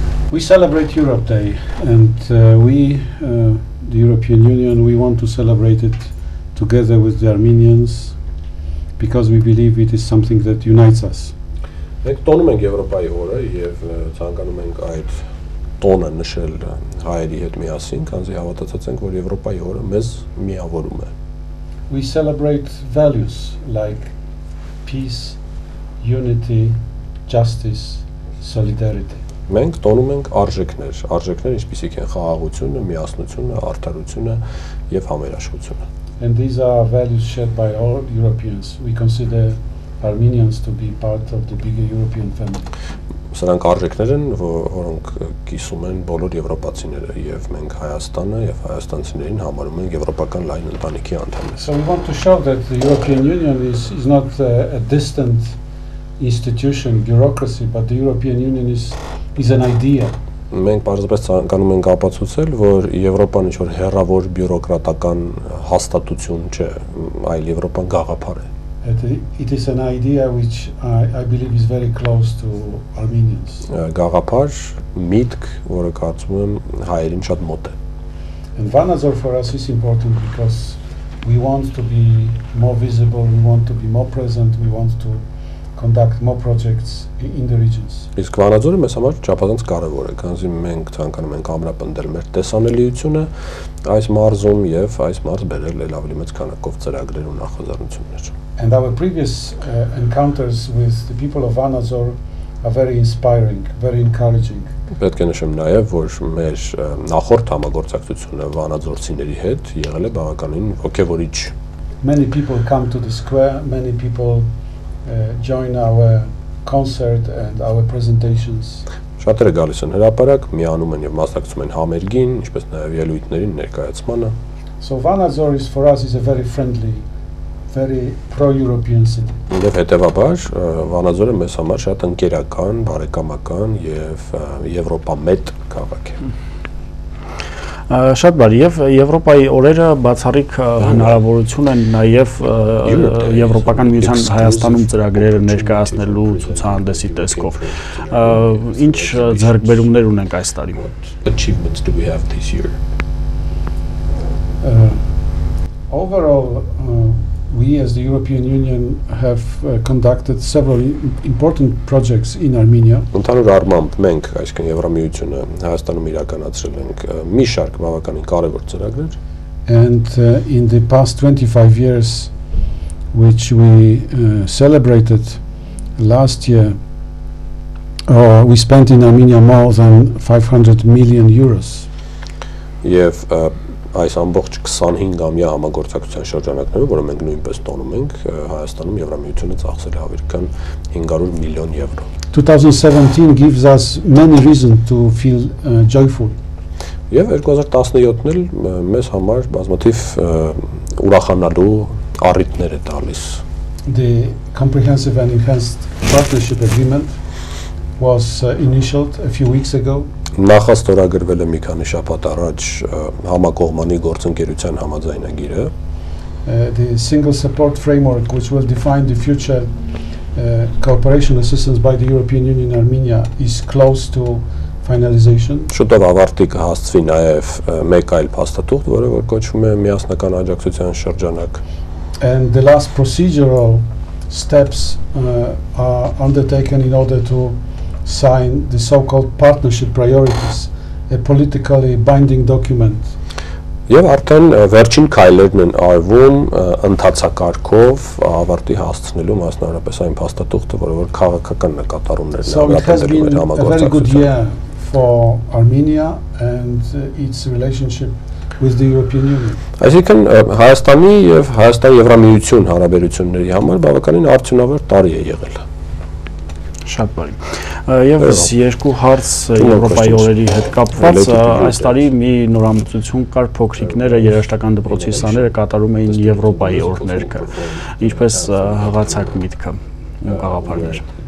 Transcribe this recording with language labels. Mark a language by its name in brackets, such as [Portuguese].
[English] We celebrate Europe Day, and we, the European Union, we want to celebrate it together with the Armenians because we believe it is something that unites us. [Armenian] Մենք տոնում ենք Եվրոպայի օրը, և ցանկանում ենք այդ տոնը նշել հայերի հետ միասին, քանզի հավատացած ենք, որ Եվրոպայի օրը մեզ միավորում է։ [English] We celebrate values like peace, unity, justice, solidarity. [Armenian] Մենք տոնում ենք արժեքներ, արժեքներ, ինչպիսիք են խաղաղությունը, միասնությունը, արդարությունը եւ համերաշխությունը։ [English] And these are values shared by all Europeans. We consider Armenians to be part of the bigger European family. [Armenian] Սրանք արժեքներ են, որոնք կիսում են բոլոր եվրոպացիները եւ մենք Հայաստանը եւ հայաստանցիներին համարում ենք եվրոպական լայն ընտանիքի անդամ։ [English] So we want to show that the European Union is not a distant institution, bureaucracy, but the European Union is an idea. [Armenian] Մենք պարզապես ցանկանում ենք ապացուցել, որ Եվրոպան ինչ-որ հեռավոր բյուրոկրատական հաստատություն չէ, այլ Եվրոպան գաղափար է։ [English] It is an idea which I believe is very close to Armenians. [Armenian] Գաղափար, միտք, որը կարծում եմ հայերին շատ մոտ է։ [English] And Vanadzor for us is important because we want to be more visible, we want to be more present, we want to conduct more projects in the regions. [Armenian] Իսկ Վանաձորը մեզ համար չափազանց կարևոր է, քանզի մենք ցանկանում ենք ամրապնդել մեր տեսանելիությունը այս մարզում եւ այս մարզ բերել լավ լիմեց քանակով ծրագրեր ու նախաձեռնություններ։ [English] And our previous encounters with the people of Vanadzor are very inspiring, very encouraging. [Armenian] Պետք է նշեմ նաեւ, որ մեր նախորդ համագործակցությունը վանաձորցիների հետ եղել է բավականին ոգևորիչ։ [English] Many people come to the square, many people join our concert and our presentations. [Armenian] Շատերը գալիս են հրապարակ, միանում են եւ մասնակցում են համերգին, ինչպես նաեւ ելույթներին ներկայացմանը. [English] So Vanadzor is for us is a very friendly, very pro-European city. [Armenian] Եվ հետեւաբար Վանաձորը մեզ համար շատ ընկերական, բարեկամական եւ եվրոպամետ քաղաք է։ Շատ բարի, եւ Եվրոպայի օրերը բացառիկ հնարավորություն են նաեւ Եվրոպական միության Հայաստանում ծրագրերը ներկայացնելու ցուցահանդեսի տեսքով։ Ինչ ձեռքբերումներ ունենք այս տարի։ [English] Achievements do we have this year? Overall, we as the European Union have conducted several important projects in Armenia. [Armenian] Ընդհանուր առմամբ մենք, այսինքն Եվրամիությունը, Հայաստանում իրականացրել ենք մի շարք բավականին կարևոր ծրագրեր. [English] And in the past 25 years which we celebrated last year, we spent in Armenia more than 500 million euros. [Armenian] Եվ այս ամբողջ 25-ամյա համագործակցության շրջանակներում, որը մենք նույնպես տոնում ենք, Հայաստանում Եվրամիությունը ծախսել է ավերկան 500 միլիոն եվրո։ [English] 2017 gives us many reasons to feel joyful. [Armenian] Եվ 2017-ն էլ մեզ համար բազմաթիվ ուրախանալու առիթներ է տալիս։ [English] The comprehensive and enhanced partnership agreement was initialed a few weeks ago. [Armenian] Նախաստորագրվել է մի քանի շաբաթ առաջ համակողմանի գործընկերության համաձայնագիրը։ [English] The single support framework which will define the future cooperation assistance by the European Union Armenia is close to finalization. [Armenian] Շուտով ավարտի կհասցվի նաև մեկ այլ փաստաթուղթ, որը կոչվում է միասնական աջակցության շրջանակ։ [English] And the last procedural steps are undertaken in order to sign the so-called partnership priorities, a politically binding document. [Armenian] Եվ արդեն վերջին քայլերն են արվում ընդհանցակարգով ավարտի հասցնելու, մասնավորապես այն փաստաթուղթը, որը որ քաղաքական նկատառումներն են ապահովել համագործակցության [English] for Armenia and its relationship with the European Union. [Armenian] Այսինքն Հայաստանի եւ Հայաստան Եվրամիություն հարաբերությունների համար բավականին արդյունավետ տարի է եղել։ Շատ բարի։ Եվ այս երկու հարց Եվրոպայի օրերի հետ կապված, այս տարի մի նորամուծություն կար, փոքրիկները երաշտական դպրոցի սաները կատարում էին Եվրոպայի օրեր, ինչպես հղացակ միտքը ու գաղափարներ։